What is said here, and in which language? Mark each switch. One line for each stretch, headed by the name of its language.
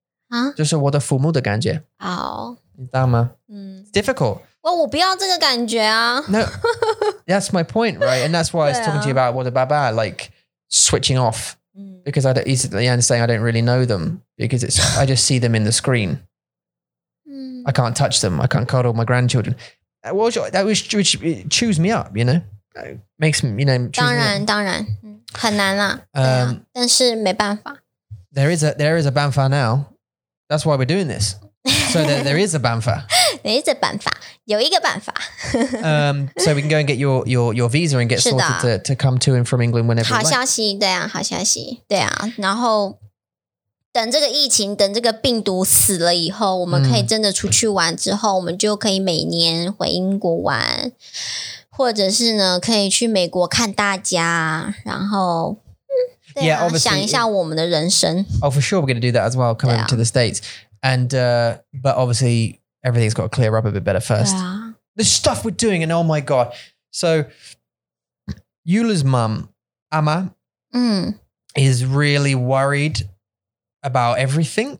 Chinese: 不一样啊,我知道啊,但是还是不一样嘛,你就不能摸摸他们。对啊,所以现在你知道我的父母的感觉,对不对?啊?就是我的父母的感觉。哦。你知道吗?
English: It's difficult.
Chinese: 我不要这个感觉啊。
English: No, that's my point, right? And that's why I was talking to you about
Chinese: 我的爸爸,
English: like, switching off. Because I'm saying I don't really know them, because I just see them in the screen. I can't touch them, I can't cuddle my grandchildren. That was chews me up, you know? Makes me, you know, chew
Chinese: 当然, 很难啦, 但是没办法。
English: There is a banfa now. That's why we're doing this. So there is a banfa. There is a banfa.
Chinese: 有一个办法。
English: So we can go and get your visa and get sorted to come to and from England whenever you like.
Chinese: 好消息,对啊,好消息,对啊,然后等这个疫情等这个病毒死了以后我们可以真的出去玩之后、嗯、我们就可以每年回英国玩或者是呢可以去美国看大家然后、嗯、对啊
English: yeah,
Chinese: 想一下我们的人生
English: Oh for sure we're going to do that as well coming、啊、to the States and but obviously everything's got to clear up a bit better first、啊、 the stuff we're doing and oh my god so Eula's mum Amma、嗯、 is really worriedabout everything